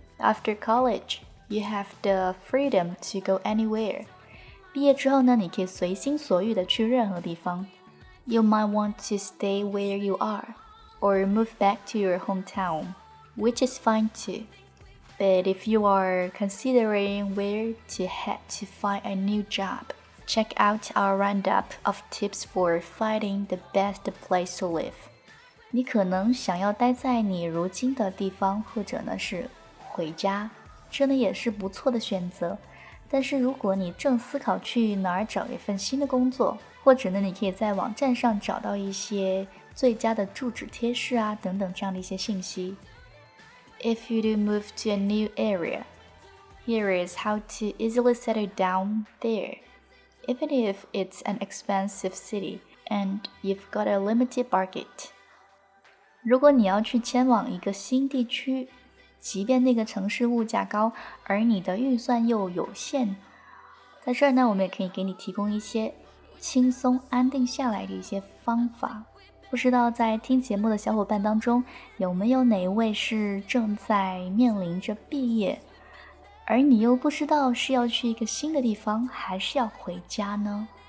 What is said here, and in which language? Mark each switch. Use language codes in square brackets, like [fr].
[en] After college, you have the freedom to go anywhere. [zh] 毕业之后呢，你可以随心所欲地去任何地方。 [en] You might want to stay where you are, or move back to your hometown, which is fine too. But if you are considering where to head to find a new job, check out our roundup of tips for finding the best place to live. [zh] 你可能想要待在你如今的地方，或者呢是回家，这呢也是不错的选择。但是如果你正思考去哪儿找一份新的工作，或者呢你可以在网站上找到一些最佳的住址贴士啊等等这样的一些信息。 [en] If you do move to a new area, here is how to easily settle down there. Even if it's an expensive city and you've got a limited budget. [zh] 如果你要去迁往一个新地区，即便那个城市物价高，而你的预算又有限，在这儿呢，我们也可以给你提供一些轻松安定下来的一些方法。不知道在听节目的小伙伴当中，有没有哪一位是正在面临着毕业，而你又不知道是要去一个新的地方，还是要回家呢？